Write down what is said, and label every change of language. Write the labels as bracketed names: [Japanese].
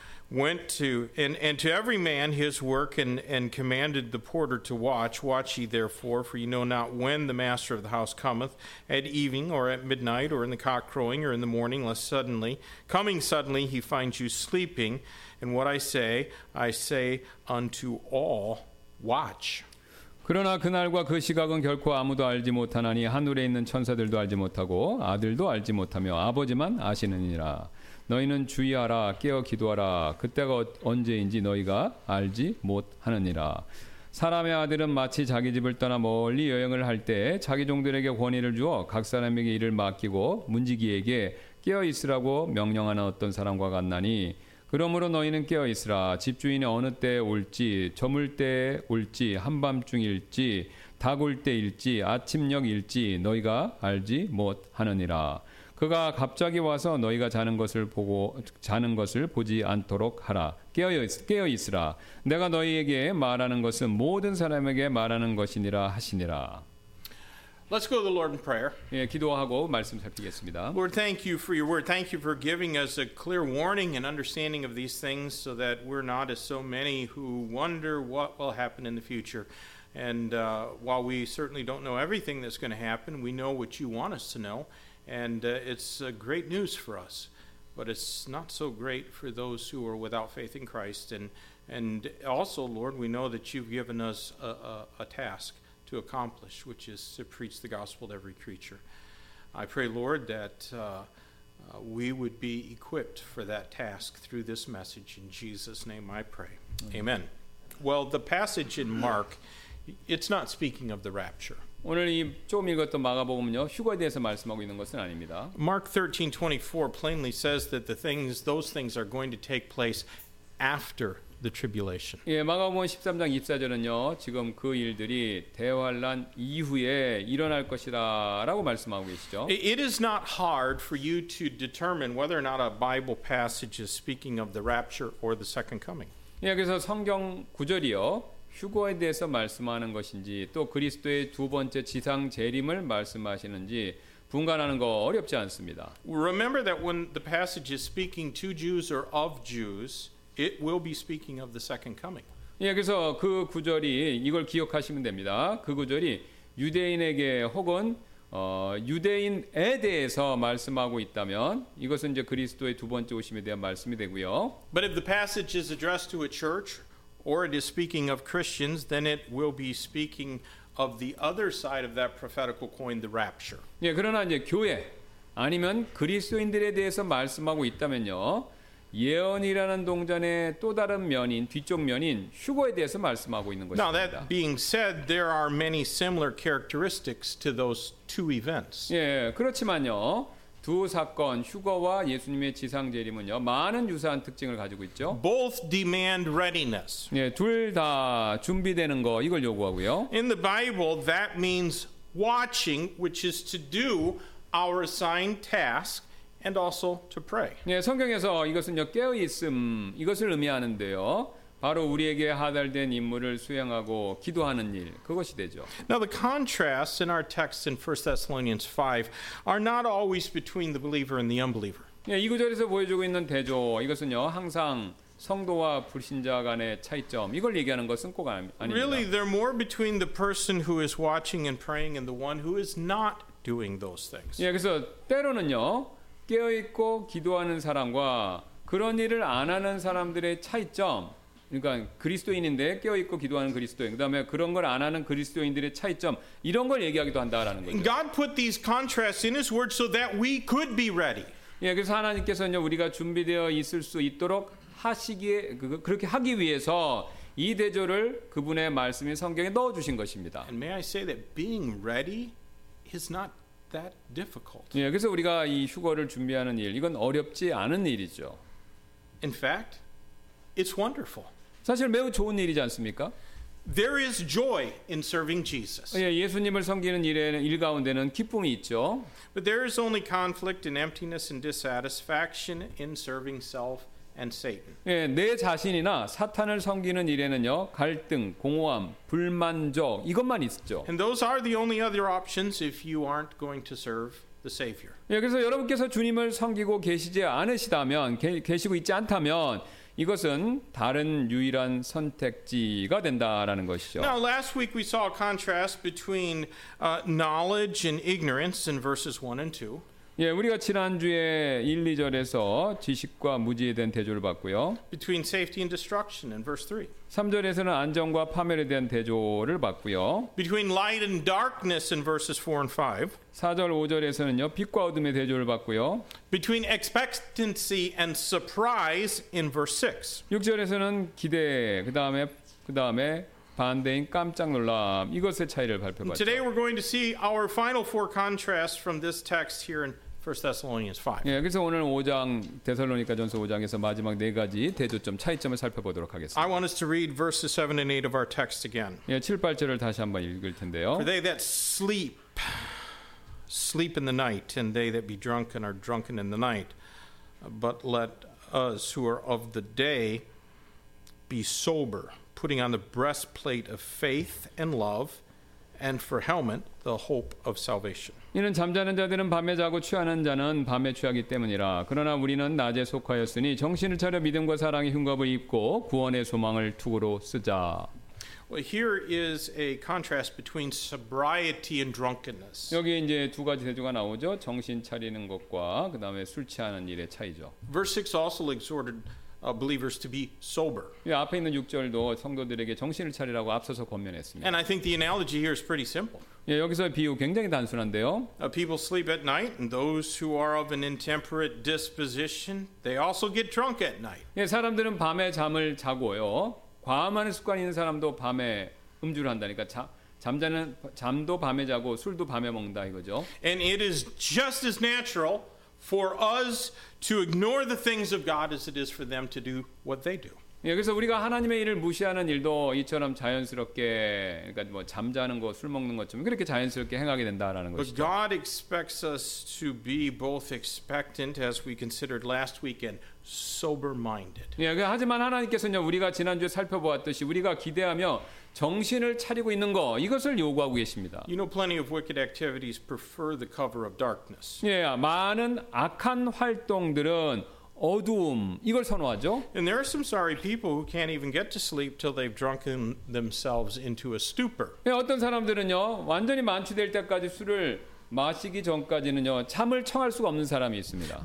[English] went to and to every man his work and commanded the porter to watch. Watch ye therefore, for ye know not when the master of the house cometh, at evening or at midnight or in the cock crowing or in the morning, lest suddenly, coming suddenly, he finds you sleeping. And what I say unto all, watch. [Korean] 그러나 그날과 그 시각은 결코 아무도 알지 못하나니 하늘에 있는 천사들도 알지 못하고 아들도 알지 못하며 아버지만 아시느니라. 너희는 주의하라, 깨어 기도하라. 그때가 언제인지 너희가 알지 못하느니라. 사람의 아들은 마치 자기 집을 떠나 멀리 여행을 할 때 자기 종들에게 권위를 주어 각 사람에게 일을 맡기고 문지기에게 깨어 있으라고 명령하는 어떤 사람과 같나니 그러므로 너희는 깨어 있으라. 집주인이 어느 때에 올지, 저물 때에 올지, 한밤중일지, 다굴 때일지, 아침녘일지 너희가 알지 못하느니라. 그가 갑자기 와서 너희가 자는 것을 보고 자는 것을 보지 않도록 하라. 깨어 있으라. 내가 너희에게 말하는 것은 모든 사람에게 말하는 것이니라 하시니라. [English] Let's go to the Lord in prayer. [Korean] 예, 기도하고 말씀 살피겠습니다. [English] Lord, thank you for your word. Thank you for giving us a clear warning and understanding of these things so that we're not as so many who wonder what will happen in the future. And while we certainly don't know everything that's going to happen, we know what you want us to know. And it's great news for us, but it's not so great for those who are without faith in Christ. And also, Lord, we know that you've given us a task to accomplish, which is to preach the gospel to every creature. I pray, Lord, that we would be equipped for that task through this message. In Jesus' name I pray. Amen. Amen. Well, the passage in Mark, it's not speaking of the rapture. [Korean] 오늘 이 조금 읽었던 마가복음은요 휴거에 대해서 말씀하고 있는 것은 아닙니다. [English] Mark 13:24 plainly says that the things those things are going to take place after the tribulation. [Korean] 예, 마가복음 13장 24절은요 지금 그 일들이 대환란 이후에 일어날 것이다라고 말씀하고 계시죠. [English] It is not hard for you to determine whether or not a Bible passage is speaking of the rapture or the second coming. [Korean] 예, 그래서 성경 구절이요. 휴거에 대해서 말씀하는 것인지 또 그리스도의 두 번째 지상 재림을 말씀하시는지 분간하는 거 어렵지 않습니다. [English] Remember that when the passage is speaking to Jews or of Jews, it will be speaking of the second coming. [Korean] 예, 그래서 그 구절이 이걸 기억하시면 됩니다. 그 구절이 유대인에게 혹은 유대인에 대해서 말씀하고 있다면 이것은 이제 그리스도의 두 번째 오심에 대한 말씀이 되고요. [English] But if the passage is addressed to a church or it is speaking of Christians, then it will be speaking of the other side of that prophetical coin, the rapture. [Korean] 예, 그러나 이제 교회 아니면 그리스도인들에 대해서 말씀하고 있다면요, 예언이라는 동전의 또 다른 면인 뒤쪽 면인 휴거에 대해서 말씀하고 있는 것입니다. [English] Now that being said, there are many similar characteristics to those two events. [Korean] 예, 그렇지만요. 두 사건 휴거와 예수님의 지상 재림은요 많은 유사한 특징을 가지고 있죠. [English] Both demand readiness. [Korean] 예, 둘 다 준비되는 거 이걸 요구하고요. [English] In the Bible, that means watching, which is to do our assigned task and also to pray. [Korean] 예, 성경에서 이것은요 깨어 있음 이것을 의미하는데요. 바로 우리에게 하달된 임무를 수행하고 기도하는 일 그것이 되죠. [English] Now the contrasts in our text in 1 Thessalonians 5 are not always between the believer and the unbeliever. [Korean] 예, 이 구절에서 보여주고 있는 대조 이것은요 항상 성도와 불신자 간의 차이점 이걸 얘기하는 것은 꼭 아닙니다. [English] Really, they're more between the person who is watching and praying and the one who is not doing those things. [Korean] 예, 그래서 때로는요 깨어 있고 기도하는 사람과 그런 일을 안 하는 사람들의 차이점. 그러니까 그리스도인인데 깨어 있고 기도하는 그리스도인 그다음에 그런 걸 안 하는 그리스도인들의 차이점 이런 걸 얘기하기도 한다라는 거죠. [English] God put these contrasts in his word so that we could be ready. [Korean] 예, 그래서 하나님께서는 우리가 준비되어 있을 수 있도록 하시기에 그렇게 하기 위해서 이 대조를 그분의 말씀이 성경에 넣어 주신 것입니다. [English] And may I say that being ready is not that difficult. [Korean] 예, 그래서 우리가 이 휴거를 준비하는 일 이건 어렵지 않은 일이죠. [English] In fact, it's wonderful. [Korean] 사실 매우 좋은 일이지 않습니까? [English] There is joy in serving Jesus. [Korean] 예, 예수님을 섬기는 일에는 일 가운데는 기쁨이 있죠. [English] But there is only conflict and emptiness and dissatisfaction in serving self and Satan. [Korean] 예, 내 자신이나 사탄을 섬기는 일에는요 갈등, 공허함, 불만족 이것만 있죠. [English] And those are the only other options if you aren't going to serve the Savior. [Korean] 예, 그래서 여러분께서 주님을 섬기고 계시지 않으시다면 계시고 있지 않다면 이것은 다른 유일한 선택지가 된다라는 것이죠. [English] Now last week we saw a contrast between knowledge and ignorance in verses 1 and 2. [Korean] 예, 우리가 지난주에 1, 2절에서 지식과 무지에 대한 대조를 봤고요. [English] Between safety and destruction in verse 3. [Korean] 3절에서는 안전과 파멸에 대한 대조를 봤고요. [English] Between light and darkness in verses 4 and 5. [Korean] 4절, 5절에서는요. 빛과 어둠의 대조를 봤고요. [English] Between expectancy and surprise in verse 6. [Korean] 6절에서는 기대, 그다음에 반대인 깜짝 놀람 이것의 차이를 발표받죠. [English] Today we're going to see our final four contrasts from this text here in 1 Thessalonians 5. [Korean] 예, 그래서 오늘 5장 데살로니가전서 5장에서 마지막 네 가지 대조점 차이점을 살펴보도록 하겠습니다. [English] I want us to read verses 7 and 8 of our text again. [Korean] 예, 7, 8절을 다시 한번 읽을 텐데요. [English] For they that sleep in the night, and they that be drunken are drunken in the night. But let us who are of the day be sober, putting on the breastplate of faith and love, and for helmet the hope of salvation. [Korean] 이는 잠자는 자들은 밤에 자고 취하는 자는 밤에 취하기 때문이라. 그러나 우리는 낮에 속하였으니 정신을 차려 믿음과 사랑의 흉갑을 입고 구원의 소망을 투구로 쓰자. [English] Well, here is a contrast between sobriety and drunkenness. [Korean] 여기 이제 두 가지 대조가 나오죠. 정신 차리는 것과 그 다음에 술 취하는 일의 차이죠. [English] Verse 6 also exhorted believers to be sober. [Korean] 이 앞에 있는 6절도 성도들에게 정신을 차리라고 앞서서 권면했습니다. [English] And I think the analogy here is pretty simple. [Korean] 예, 여기서 비유 굉장히 단순한데요. [English] People sleep at night, and those who are of an intemperate disposition, they also get drunk at night. [Korean] 예, 사람들은 밤에 잠을 자고요. 과음하는 습관이 있는 사람도 밤에 음주를 한다니까 잠도 밤에 자고 술도 밤에 먹는다 이거죠. [English] And it is just as natural for us to ignore the things of God as it is for them to do what they do. [Korean] 예, 그래서 우리가 하나님의 일을 무시하는 일도 이처럼 자연스럽게, 그러니까 뭐 잠자는 거, 술 먹는 것처럼 그렇게 자연스럽게 행하게 된다라는 것이죠. [English] But God expects us to be both expectant, as we considered last week, and sober-minded. [Korean] 예, 하지만 하나님께서는 우리가 지난주에 살펴보았듯이 우리가 기대하며 정신을 차리고 있는 거 이것을 요구하고 계십니다. [English] You know, plenty of wicked activities prefer the cover of darkness. [Korean] 예, 많은 악한 활동들은 어두움 이걸 선호하죠. [English] And there are some sorry people who can't even get to sleep till they've drunken themselves into a stupor. [Korean] 예, 어떤 사람들은요 완전히 만취될 때까지 술을 마시기 전까지는요 잠을 청할 수가 없는 사람이 있습니다.